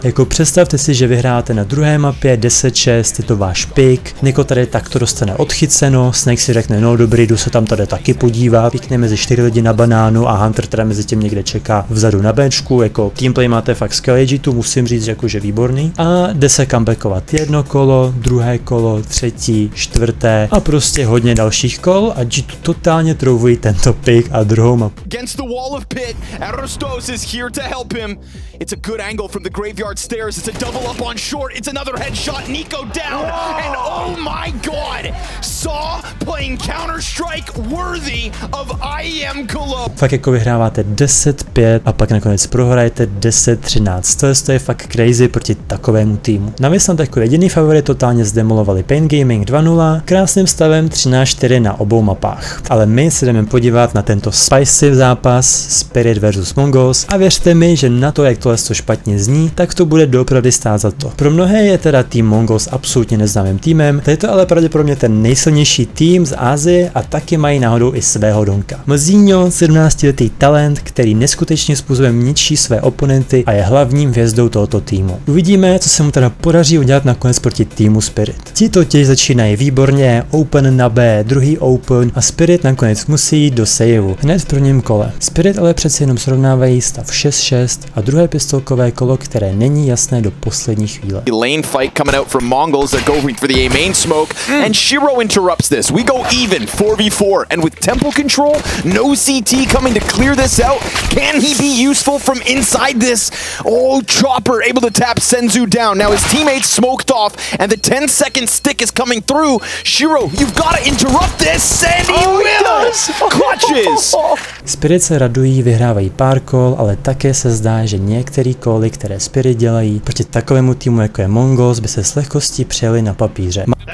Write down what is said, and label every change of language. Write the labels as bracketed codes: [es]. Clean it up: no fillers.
[cs] Jako představte si, že vyhráte na druhé mapě 10-6, je to váš pick, Nico tady takto dostane odchyceno, Snake si řekne, no dobrý, jdu se tam tady taky podívat, píkne mezi 4 lidi na banánu a Hunter teda mezi tím někde čeká vzadu na benchku, jako teamplay máte fakt skvělý, G2 musím říct, že jakože výborný. A jde se comebackovat jedno kolo, druhé kolo, třetí, čtvrté a prostě hodně dalších kol a G2 totálně trouvují tento pick a druhou mapu. [en] Against the wall of pit, Aristos is here to help him. It's a good angle from the graveyard stairs, it's a double up on short, it's another headshot, Nico down, and oh my god, Saw playing Counter-Strike worthy of IEM Club. [cs] Fakt jako vyhráváte 10-5 a pak nakonec prohrajete 10-13, to je fakt crazy proti takovému týmu. Na Vyslant jako jediný favorit totálně zdemolovali Pain Gaming 2-0, krásným stavem 13-4 na obou mapách. Ale my se jdeme podívat na tento spicy zápas Spirit vs Mongols a věřte mi, že na to, jak tohle špatně zní, tak to bude doopravdy stát za to. Pro mnohé je teda tým Mongols absolutně neznámým týmem, to je to ale pravděpodobně ten nejsilnější tým z Asie a taky mají náhodou i svého Donka. Mzinho, 17-letý talent, který neskutečně způsobem ničí své oponenty a je hlavním hvězdou tohoto týmu. Uvidíme, co se mu teda podaří udělat nakonec proti týmu Spirit. Ti totiž začínají výborně, open na B, druhý open a Spirit nakonec musí jít do save hned v prvním kole. Spirit ale přeci jenom srovnávají stav 6-6 a druhé pistolkové kolo, které není jasné do poslední chvíle. [en] Lane fight coming out from Mongols, they're going for the A main smoke and Shiro interrupts this. We go even 4v4 and with tempo control, no CT coming to clear this out. Can he be useful from inside this? Oh, Chopper able to tap Senzu down. Now his teammates smoked off and the 10 second stick is coming through. Shiro, you've got to interrupt this. Sandy Williams clutches. [cs] Spirit se radují, vyhrávají pár kol, ale také se zdá, že některé koly, které Spirit dělají proti takovému týmu jako je Mongols, by se s lehkostí přijeli na papíře.